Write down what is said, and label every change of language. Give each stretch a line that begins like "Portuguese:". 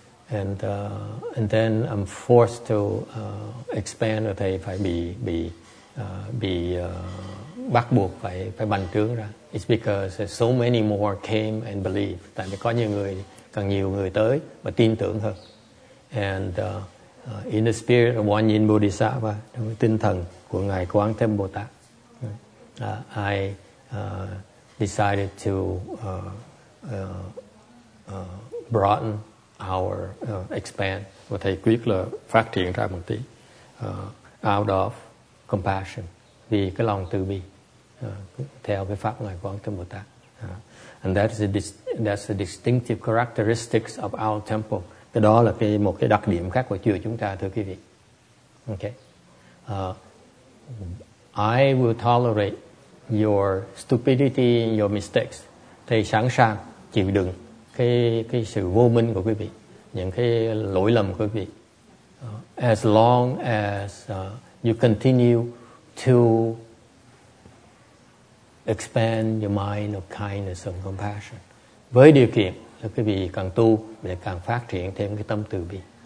English: And then I'm forced to expand.
Vietnamese: Thầy phải bị bắt buộc phải bành trướng ra.
English: It's because so many more came and believe.
Vietnamese: Tại vì có nhiều người, càng nhiều người tới và tin tưởng hơn.
English: And in the spirit of One Yin Bodhisattva,
Vietnamese: trong tinh thần của Ngài Quán Thế Âm Bồ Tát,
English: I decided to broaden our expand.
Vietnamese: Và thầy quyết là phát triển ra một tí
English: out of compassion,
Vietnamese: vì cái lòng từ bi theo cái pháp Ngài Quán Thế Âm Bồ Tát.
English: And that's the distinctive characteristics of our temple.
Vietnamese: Cái đó là một cái đặc điểm khác của chùa chúng ta, thưa quý vị. Okay.
English: I will tolerate your stupidity and your mistakes.
Vietnamese: Thầy sẵn sàng chịu đựng cái sự vô minh của quý vị, những cái lỗi lầm của quý vị.
English: As long as you continue to expand your mind of kindness and compassion.
Vietnamese: Với điều kiện là quý vị càng tu để càng phát triển thêm cái tâm từ bi.